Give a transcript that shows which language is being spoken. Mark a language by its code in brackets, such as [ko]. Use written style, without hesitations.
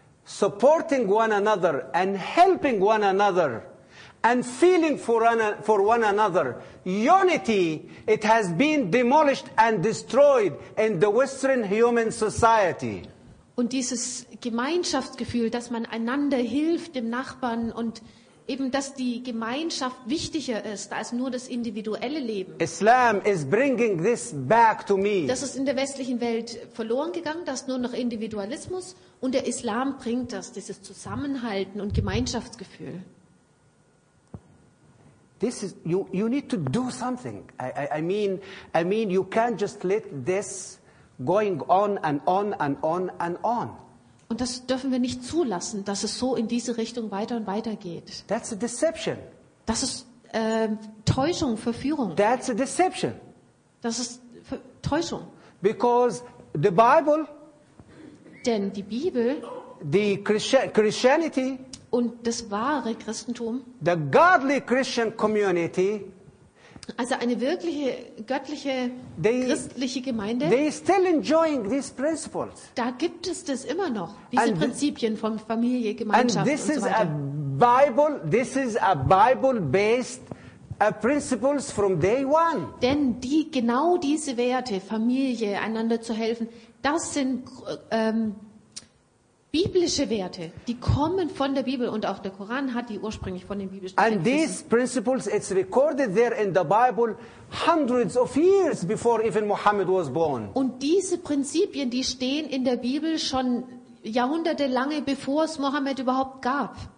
[en] Supporting one another and helping one another and feeling for one another. Unity, it has been demolished and destroyed in the Western human society. [de] Und dieses Gemeinschaftsgefühl, dass man einander hilft, dem Nachbarn und eben, dass die Gemeinschaft wichtiger ist als nur das individuelle Leben. [en] Islam is bringing this back to me. [de] Das ist in der westlichen Welt verloren gegangen, das nur noch Individualismus. Und der Islam bringt das, dieses Zusammenhalten und Gemeinschaftsgefühl. [en] This is you need to do something. I mean you can't just let this going on and on and on and on. [de] Und das dürfen wir nicht zulassen, dass es so in diese Richtung weiter und weiter geht. [en] That's a deception. [de] Das ist Täuschung, Verführung. [en] That's a deception. [de] Das ist Täuschung. [en] Because the Bible, [de] denn die Bibel, [en] the Christianity [de] und das wahre Christentum, [en] the godly Christian community, [de] also eine wirkliche göttliche christliche Gemeinde, [en] they still enjoying these principles. [de] Da gibt es das immer noch, diese and Prinzipien von Familie, Gemeinschaft [en] and this [de] und so weiter. [en] Is a Bible, this is a Bible based principles from day one. [de] Denn die genau diese Werte, Familie, einander zu helfen, das sind biblische Werte, die kommen von der Bibel und auch der Koran hat die ursprünglich von den biblischen [en] Werten. And these principles, it's recorded there in the Bible hundreds of years before even Muhammad was born. [de] Und diese Prinzipien, die stehen in der Bibel schon Jahrhunderte lange, bevor es Mohammed überhaupt gab.